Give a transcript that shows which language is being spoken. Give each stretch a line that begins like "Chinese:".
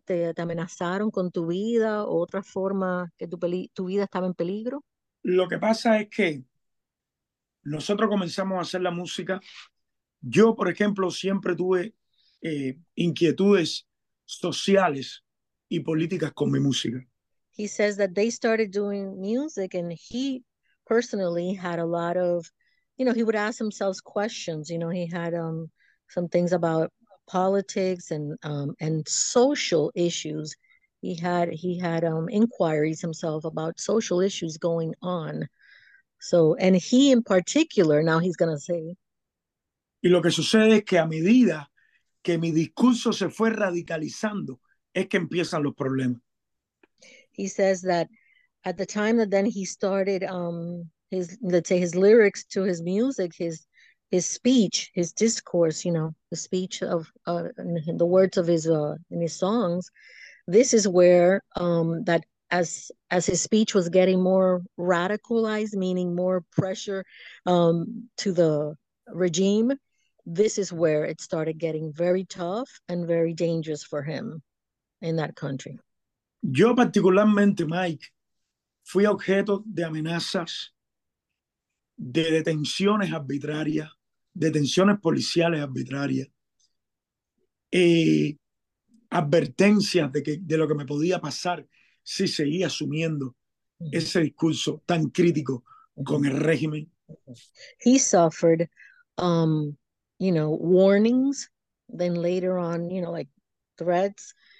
Spanish: ¿Te amenazaron con tu vida o otra forma que tu vida estaba en peligro? Lo que pasa es que nosotros comenzamos a hacer la música. Yo, por ejemplo, siempre tuve inquietudes sociales y políticas con mi música.
English: He says that they started doing music and he personally had a lot of, you know, he would ask himself questions. You know, he had some things about politics and social issues. He had inquiries himself about social issues going on. So, and he in particular, now he's going to say,
Spanish: y lo que sucede es que a medida que mi discurso se fue radicalizando, es que empiezan los problemas.
English: He says that at the time that then he started his, let's say his lyrics to his music, his speech, his discourse, you know, the speech of the words of his in his songs, this is where that as his speech was getting more radicalized, meaning more pressure to the regime, this is where it started getting very tough and very dangerous for him in that country.
Spanish: Yo particularmente, Mike, fui objeto de amenazas, de detenciones arbitrarias, detenciones policiales arbitrarias, advertencias de lo que me podía pasar si seguía asumiendo ese discurso tan crítico con el régimen.
English: He suffered you know, warnings, then later on, you know, like threats.